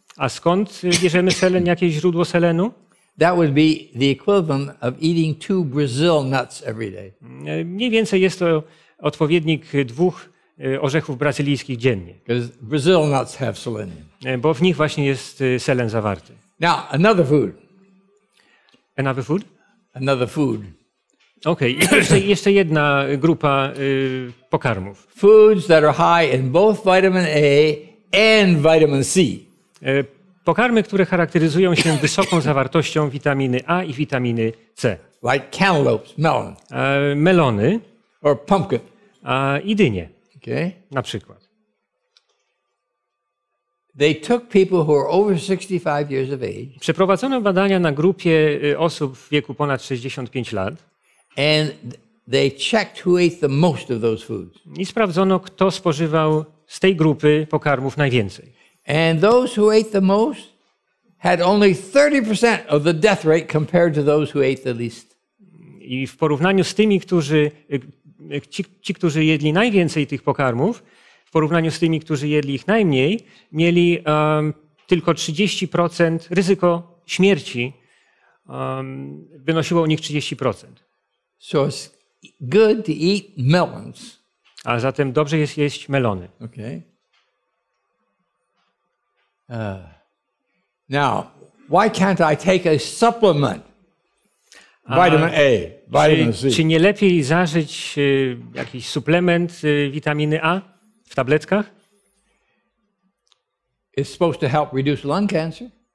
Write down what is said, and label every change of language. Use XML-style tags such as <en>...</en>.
<pl>A skąd bierzemy selen, jakieś źródło selenu?</pl> <en>That would be the equivalent of eating 2 Brazil nuts every day.</en> <pl>Mniej więcej jest to odpowiednik 2 orzechów brazylijskich dziennie.</pl> <en>Because Brazil nuts have selenium.</en> <pl>Bo w nich właśnie jest selen zawarty.</pl> <en>Now, another food. Another food? Another food.</en> <pl>Okay, jeszcze jedna grupa pokarmów.</pl> <en>Foods that are high in both vitamin A and vitamin C.</en> <pl>Pokarmy, które charakteryzują się wysoką zawartością witaminy A i witaminy C.</pl> <en>Like cantaloupes, melon.</en> <pl>Melony.</pl> <en>Or pumpkin.</en> <pl>I dynie.</pl> <en>Okay.</en> <pl>Na przykład.</pl> <en>They took people who are over 65 years of age.</en> <pl>Przeprowadzono badania na grupie osób w wieku ponad 65 lat.</pl> <en>And they checked who ate the most of those foods.</en> <pl>I sprawdzono, kto spożywał z tej grupy pokarmów najwięcej.</pl> <en>And those who ate the most had only 30% of the death rate compared to those who ate the least.</en> <pl>I w porównaniu z tymi, którzy ci, którzy jedli najwięcej tych pokarmów, w porównaniu z tymi, którzy jedli ich najmniej, mieli tylko 30% ryzyko śmierci. Wynosiło u nich 30%.</pl> <en>So it's good to eat melons.</en> <pl>A zatem dobrze jest jeść melony.</pl> <en>Okay. Now, why can't I take a supplement? Vitamin A, vitamin C.</en> <pl>Czy nie lepiej zażyć jakiś suplement witaminy A w tabletkach?</pl> <en>is supposed to help reduce lung cancer.</en>